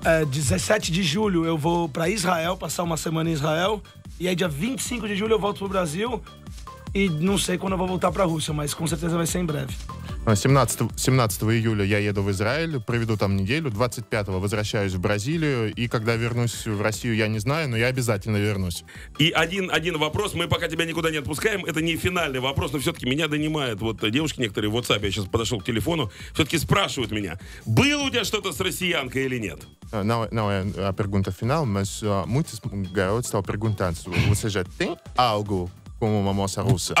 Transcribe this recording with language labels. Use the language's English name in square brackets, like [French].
[Portuguese] 17 de julho eu vou para Israel, passar uma semana em Israel. E aí dia 25 de julho eu volto pro Brasil. E não sei quando eu vou voltar pra Rússia, mas com certeza vai ser em breve. [Russian] 17 июля я еду в Израиль, проведу там неделю, 25-го возвращаюсь в Бразилию, и когда вернусь в Россию, я не знаю, но я обязательно вернусь. И один вопрос, мы пока тебя никуда не отпускаем, это не финальный вопрос, но все-таки меня донимают вот девушки некоторые в WhatsApp, я сейчас подошел к телефону, все-таки спрашивают меня, было у тебя что-то с россиянкой или нет? [Portuguese] Não, é a pergunta final, mas muitos garotos estão perguntando, você já tem algo com uma moça russa?